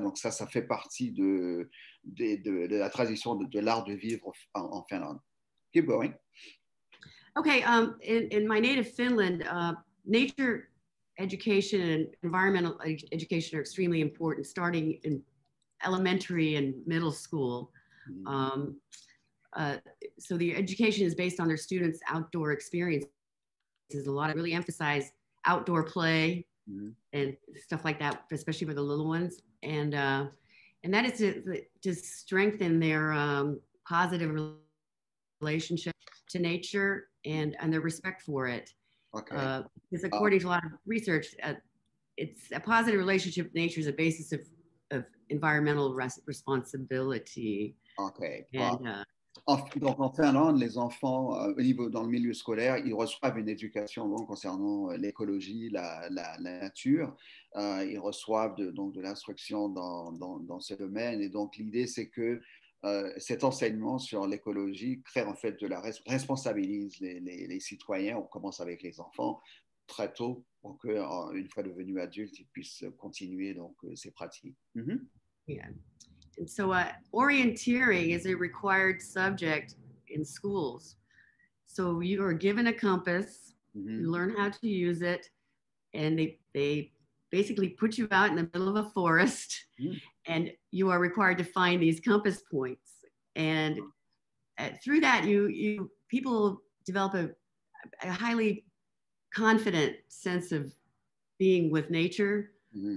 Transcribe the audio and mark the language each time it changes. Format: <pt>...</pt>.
<fr>Donc ça fait partie de la tradition de l'art de vivre en Finlande.</fr> <en>Keep going. Okay, in my native Finland, nature education and environmental education are extremely important, starting in elementary and middle school. Mm-hmm. So the education is based on their students' outdoor experience. There's a lot of really emphasize outdoor play, mm-hmm. and stuff like that, especially for the little ones. And that is to strengthen their positive relationship to nature. And their respect for it. Okay. Because according to a lot of research, it's a positive relationship with nature is a basis of environmental responsibility. Okay.</en> <fr>Donc en Finlande, les enfants au niveau dans le milieu scolaire, ils reçoivent une éducation donc concernant l'écologie, la nature. Ils reçoivent de l'instruction dans ce domaine. Et donc l'idée, c'est que cet enseignement sur l'écologie crée en fait de la responsabilise les citoyens. On commence avec les enfants très tôt pour que, une fois devenus adultes, ils puissent continuer donc ces pratiques. Mm-hmm. Yeah,</fr> <en>And so orienteering is a required subject in schools. So you are given a compass, mm-hmm. you learn how to use it, and they basically put you out in the middle of a forest, mm-hmm. and you are required to find these compass points. And through that, you people develop a highly confident sense of being with nature, mm-hmm.</en>